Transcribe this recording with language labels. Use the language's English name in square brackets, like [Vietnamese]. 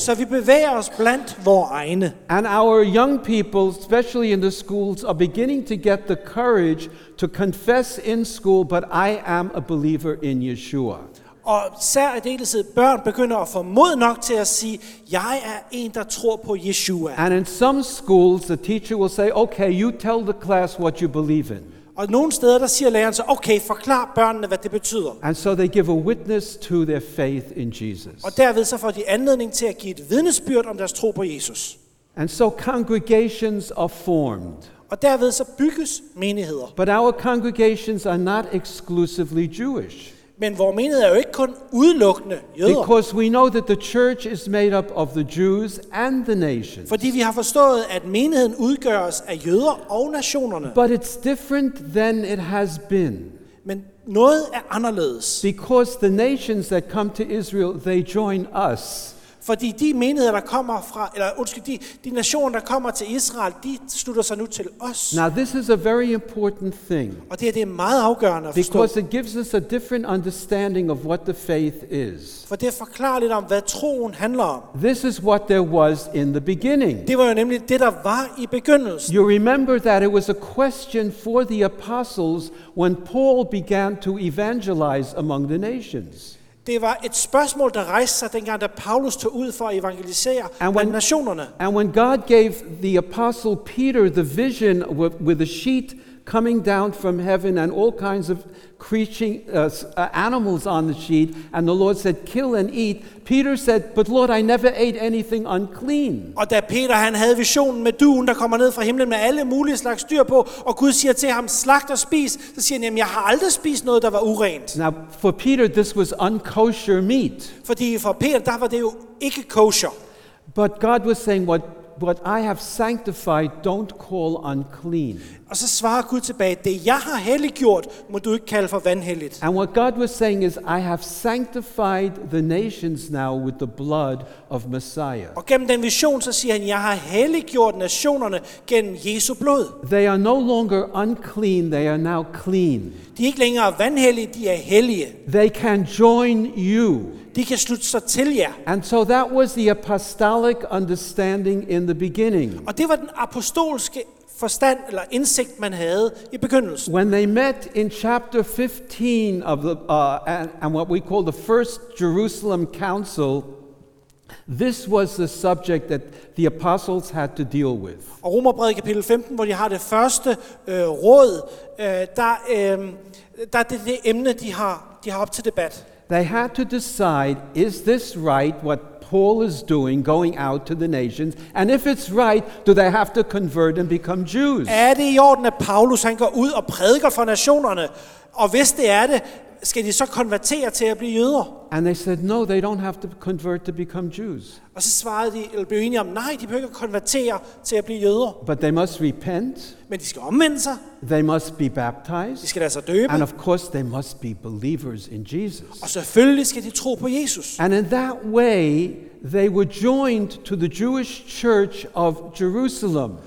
[Danish] Så vi bevæger os blandt vores egne. [English] And our young people, especially in the schools, are beginning to get the courage to confess in school, but I am a believer in Yeshua. [Danish] Og særdeleshed børn begynder at få mod nok til at sige, jeg er en der tror på Yeshua. [English] And in some schools, the teacher will say, okay, you tell the class what you believe in. [Danish] Og nogle steder der siger læreren så okay, forklar børnene hvad det betyder. [English] And so they give a witness to their faith in Jesus. [Danish] Og derved så får de anledning til at give et vidnesbyrd om deres tro på Jesus. [English] And so congregations are formed. [Danish] Og derved så bygges menigheder. [English] But our congregations are not exclusively Jewish. [Danish] Men vores menighed er jo ikke kun udelukkende jøder. [English] Because we know that the church is made up of the Jews and the nations. [Danish] Fordi vi har forstået at menigheden udgøres af jøder og nationerne. [English] But it's different than it has been. [Danish] Men noget er anderledes. [English] Because the nations that come to Israel, they join us. [Danish] Fordi de menigheder der kommer fra eller undskyld de nationer der kommer til Israel, de slutter sig nu til os. [English] Now this is a very important thing. [Danish] Og det er meget afgørende at [English] forstå. Because it gives us a different understanding of what the faith is. [Danish] For det forklarer lidt om hvad troen handler om. [English] This is what there was in the beginning. [Danish] Det var jo nemlig det der var i begyndelsen. [English] You remember that it was a question for the apostles when Paul began to evangelize among the nations. [Danish] Det var et spørgsmål der rejste sig dengang da Paulus tog ud for at evangelisere blandt nationerne. [English] And when God gave the apostle Peter the vision with a sheet coming down from heaven and all kinds of creeping animals on the sheet and the Lord said kill and eat, Peter said but Lord I never ate anything unclean. [Danish] Og da Peter han havde visionen med duen der kommer ned fra himlen med alle mulige slags dyr på og Gud siger til ham slagt og spis, så siger han jamen jeg har aldrig spist noget der var urent. [English] Now for Peter this was unkosher meat. [Danish] Fordi for Peter der var det jo ikke kosher. [English] But God was saying what I have sanctified don't call unclean. [Danish] Og så svarer Gud tilbage, det jeg har helliggjort, må du ikke kalde for vanhelligt. [English] And what God was saying is I have sanctified the nations now with the blood of Messiah. [Danish] Og gennem den vision så siger han jeg har helliggjort nationerne gennem Jesu blod. [English] They are no longer unclean, they are now clean. [Danish] De er ikke længere vanhellige, de er hellige. [English] They can join you. [Danish] De kan slutte sig til jer. [English] And so that was the apostolic understanding in the beginning. [Danish] Og det var den apostolske forstand eller indsigt man havde i begyndelsen. [English] When they met in chapter 15 of the and what we call the first Jerusalem Council, this was the subject that the apostles had to deal with. [Danish] Og Romerbrevet kapitel 15, hvor de har det første råd, der det er det emne de har op til debat. [English] They had to decide, is this right what Paul is doing, going out to the nations, and if it's right, do they have to convert and become Jews? [Danish] Er det i orden at Paulus han går ud og prædiker for nationerne, og hvis det er det, skal de så konvertere til at blive jøder? [English] And they said, no, they don't have to convert to become Jews. [Danish] Og så svarede de eller blev enige om, nej, de behøver ikke konvertere til at blive jøder. [English] But they must repent. [Danish] Men de skal omvende sig. [English] They must be baptized. [Danish] De skal lade sig døbe. [English] And of course, they must be believers in Jesus. [Danish] Og selvfølgelig skal de tro på Jesus. [English] And in that way, they were joined to the Jewish Church of Jerusalem.